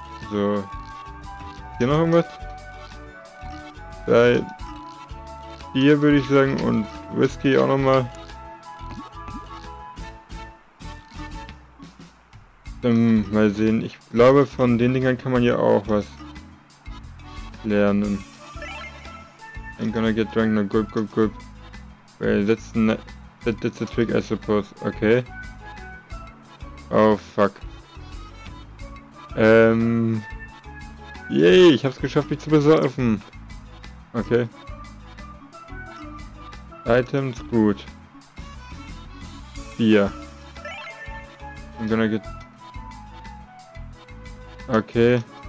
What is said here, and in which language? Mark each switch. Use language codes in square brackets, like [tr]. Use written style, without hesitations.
[de] So. Hier noch irgendwas? Bei Bier würde ich sagen und Whisky auch nochmal. Mal sehen. Ich glaube, von den Dingern kann man ja auch was lernen. [en] I'm gonna get drunk now. Gulp. Well, that's a trick, I suppose. Okay. Oh, fuck. [de] Yay, ich hab's geschafft, mich zu besaufen. Okay. Items, gut. Bier. [en] I'm gonna get... Okay.